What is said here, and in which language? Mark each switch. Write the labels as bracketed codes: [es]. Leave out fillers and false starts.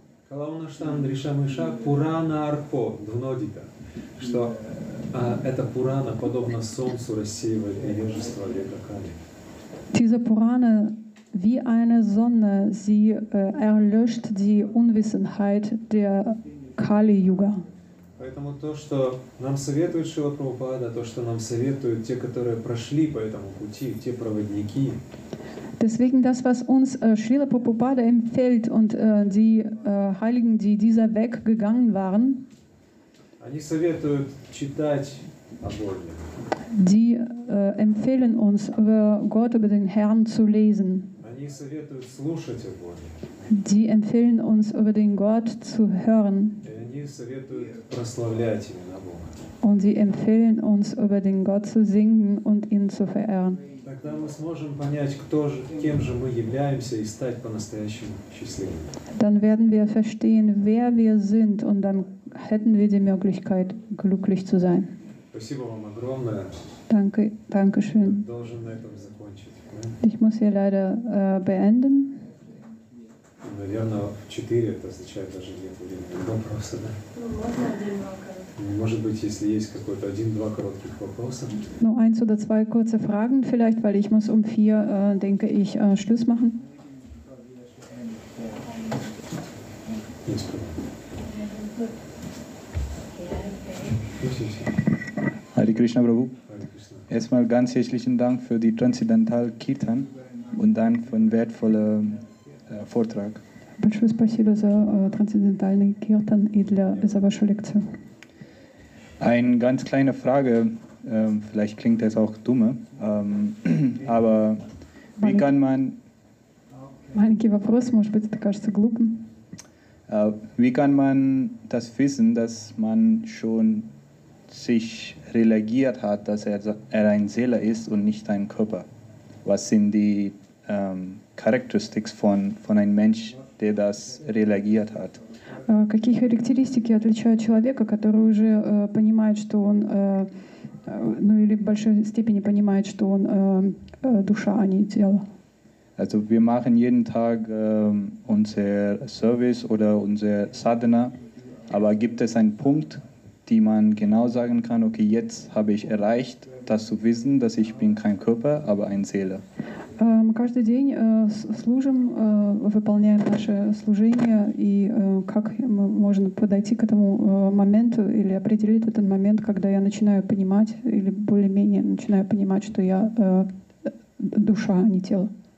[sa] Kalaunashtam Drishamisha Purana Arko Dvnodita, [ru] что эта Purana подобно солнцу рассеивает невежество века Kali. [de] Diese Purana wie eine Sonne, sie erlöscht die Unwissenheit der Kali-Yuga. [ru] Поэтому то, что нам советует Шрила Прабхупада, то, что нам советуют те, которые прошли по этому пути, те проводники. [de] Deswegen das, was uns Шрила Прабхупада empfiehlt und die Heiligen, die dieser Weg gegangen waren. [ru] Они советуют читать о Боге. [de] Die empfehlen uns, über Gott, über den Herrn zu lesen. [ru] Они советуют слушать о Боге. [de] Die empfehlen uns, über den Gott zu hören. [ru] Они советуют прославлять именно Бога. [de] Und sie empfehlen uns, über den Gott zu singen und ihn zu verehren. [ru] Тогда мы сможем понять, кто же, кем же мы являемся и стать по-настоящему счастливыми. [de] Dann werden wir verstehen, wer wir sind, und dann hätten wir die Möglichkeit, glücklich zu sein. [ru] Спасибо вам огромное. [de] Danke, danke schön. [ru] Должен на этом закончить. [de] Ich muss hier leider beenden. [ru] Наверное, в 4 это означает даже нет времени вопроса, да? Можно один-два коротких. Может быть, если есть какой-то один-два коротких вопроса. [de] Ну, eins oder zwei kurze Fragen vielleicht, weil ich muss um 4, denke ich, Schluss machen. [sa] Hare Krishna, Prabhu. [de] Erstmal ganz herzlichen Dank für die Transzendental Kirtan und dann für einen wertvollen Vortrag. [ru] Большое спасибо за трансцендентальный киртан и за вашу лекцию. [de] Eine ganz kleine Frage, vielleicht klingt das auch dumme, aber wie kann man... [ru] Маленький вопрос, может быть, это кажется глупым. [de] Wie kann man das wissen, dass man schon sich religiert hat, dass er ein Seele ist und nicht ein Körper? Was sind die Characteristics von einem Mensch, der das religiert hat? [ru] Какие характеристики отличают человека, который уже понимает, что он, ну или в большой степени понимает, что он душа, а не тело? [de] Also wir machen jeden Tag unser Service oder unser Sadhana, aber gibt es einen Punkt, die man genau sagen kann, okay, jetzt habe ich erreicht, das zu wissen, dass ich bin kein Körper, aber eine Seele? [ru] Мы каждый день служим, выполняем наше служение, и как можно подойти к этому моменту или определить этот момент, когда я начинаю понимать или более-менее начинаю понимать, что я душа, а не тело?